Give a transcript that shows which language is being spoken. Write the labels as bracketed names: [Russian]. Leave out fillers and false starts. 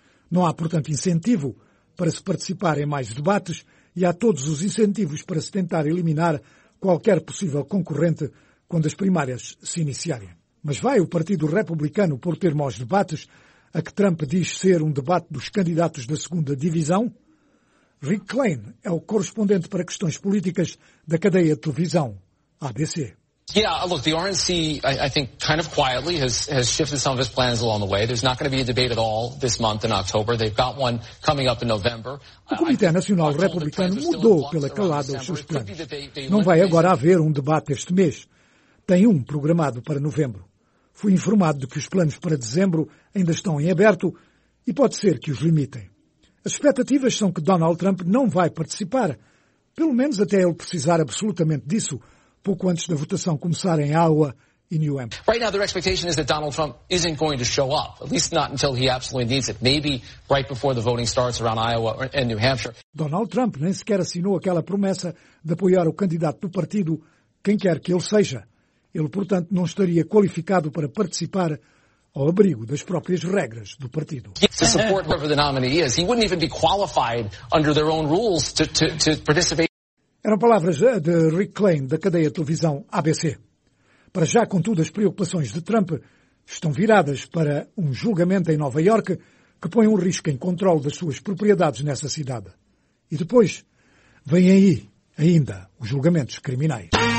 [Portuguese] Não há, portanto, incentivo para se participar em mais debates e há todos os incentivos para se tentar eliminar qualquer possível concorrente quando as primárias se iniciarem. Mas vai o Partido Republicano pôr termo aos debates a que Trump diz ser um debate dos candidatos da segunda divisão? Rick Klein é o correspondente para questões políticas da cadeia de televisão ABC. [English] Yeah, look, the RNC, I think, kind of quietly has shifted some of its plans along the way. There's not going to be a debate at all this month in October. They've got one coming up in November. [Portuguese] O Comitê Nacional Republicano mudou pela calada os seus planos. Não vai agora haver um debate este mês. Tem um programado para novembro. Fui informado de que os planos para dezembro ainda estão em aberto e pode ser que os limitem. As expectativas são que Donald Trump não vai participar, pelo menos até ele precisar absolutamente disso, pouco antes da votação começar em Iowa e New Hampshire. [English] Right now, the expectation is that Donald Trump isn't going to show up, at least not until he absolutely needs it. Maybe right before the voting starts around Iowa and New Hampshire. [Portuguese] Donald Trump nem sequer assinou aquela promessa de apoiar o candidato do partido, quem quer que ele seja. Ele, portanto, não estaria qualificado para participar ao abrigo das próprias regras do partido. [English] To support whoever the nominee is, he wouldn't even be qualified under their own rules to participate. [Portuguese] Eram palavras de Rick Klein, da cadeia de televisão ABC. Para já, contudo, as preocupações de Trump estão viradas para um julgamento em Nova Iorque que põe um risco em controle das suas propriedades nessa cidade. E depois, vem aí ainda os julgamentos criminais.